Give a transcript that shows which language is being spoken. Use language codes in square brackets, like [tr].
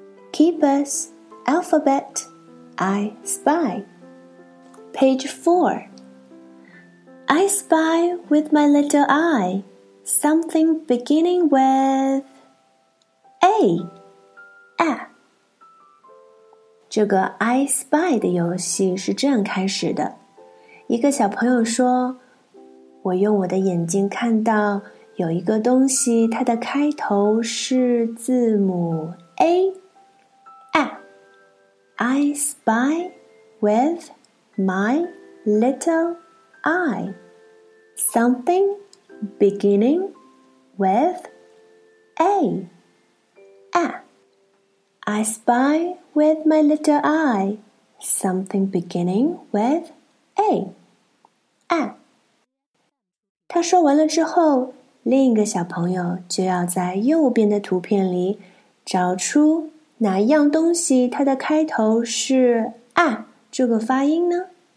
[en] Kipper's Alphabet I Spy Page 4 I spy with my little eye something beginning with A A 这个 I Spy 的游戏是这样开始的。 [zh] 一个小朋友说，我用我的眼睛看到有一个东西，它的开头是字母 A。 [en] I spy with my little eye something beginning with A. A. I spy with my little eye something beginning with A. [zh] 啊，他说完了之后，另一个小朋友就要在右边的图片里找出哪样东西它的开头是啊这个发音呢？